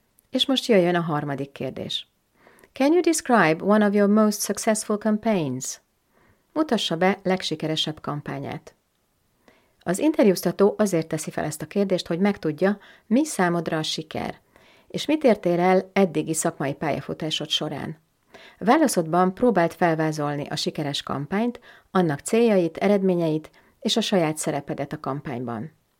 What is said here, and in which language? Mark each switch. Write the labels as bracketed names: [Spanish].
[Hungarian] És most jöjjön a harmadik kérdés. [English] Can you describe one of your most successful campaigns? [Hungarian] Mutassa be legsikeresebb kampányát. Az interjúztató azért teszi fel ezt a kérdést, hogy megtudja, mi számodra a siker, és mit értél el eddigi szakmai pályafutásod során. Válaszodban próbált felvázolni a sikeres kampányt, annak céljait, eredményeit és a saját szerepedet a kampányban.